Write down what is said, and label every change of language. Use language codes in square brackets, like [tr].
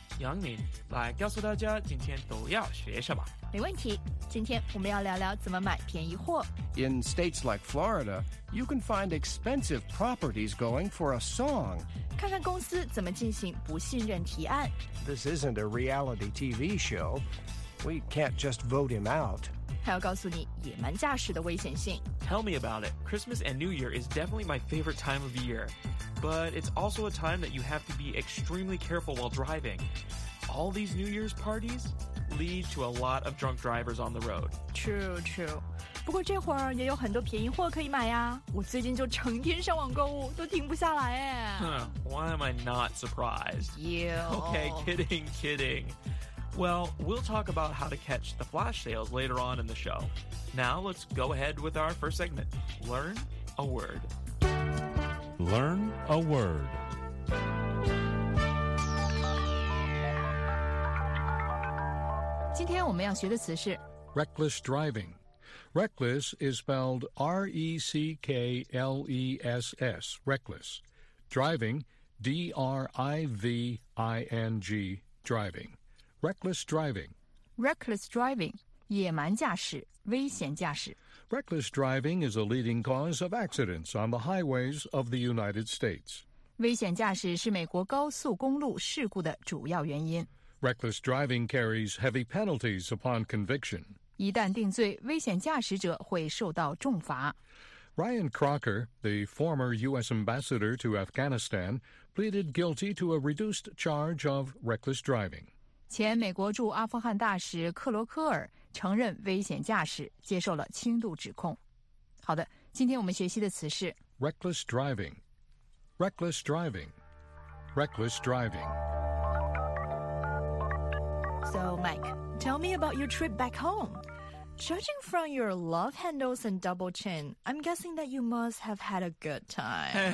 [zh] 杨林，来告诉大家今天都要学什么。没问题，今天我们要聊聊怎么买便宜货。 [en] In states like Florida, you can find expensive properties going for a song. [zh] 看看公司怎么进行不信任提案。 [en] This isn't a reality TV show. We can't just vote him out. [zh] 还要告诉你野蛮驾驶的危险性。 [en] Tell me about it. Christmas and New Year is definitely my favorite time of year. But it's also a time that you have to be extremely careful while driving. All these New Year's parties lead to a lot of drunk drivers on the road. True, true. [zh] 不过这会儿也有很多便宜货可以买呀。我最近就成天上网购物，都停不下来哎。 [en] Why am I not surprised? You. Okay, kidding, kidding. Well, we'll talk about how to catch the flash sales later on in the show. Now, let's go ahead with our first segment. Learn a word. Learn a word. Today, we're going to learn the word reckless driving. Reckless is spelled R-E-C-K-L-E-S-S, reckless. Driving, D-R-I-V-I-N-G, driving. Reckless driving. [zh] Reckless driving, 野蛮驾驶,危险驾驶。 [en] Reckless driving is a leading cause of accidents on the highways of the United States. [zh] 危险驾驶是美国高速公路事故的主要原因。 [en] Reckless driving carries heavy penalties upon conviction. [zh] 一旦定罪,危险驾驶者会受到重罚。 [en] Ryan Crocker, the former U.S. ambassador to Afghanistan, pleaded guilty to a reduced charge of reckless driving. [zh] 前美国驻阿富汗大使克罗科尔承认危险驾驶，接受了轻度指控。好的，今天我们学习的词是 [en] reckless driving, reckless driving, reckless driving. So, Mike, tell me about your trip back home. Judging from your love handles and double chin, I'm guessing that you must have had a good time.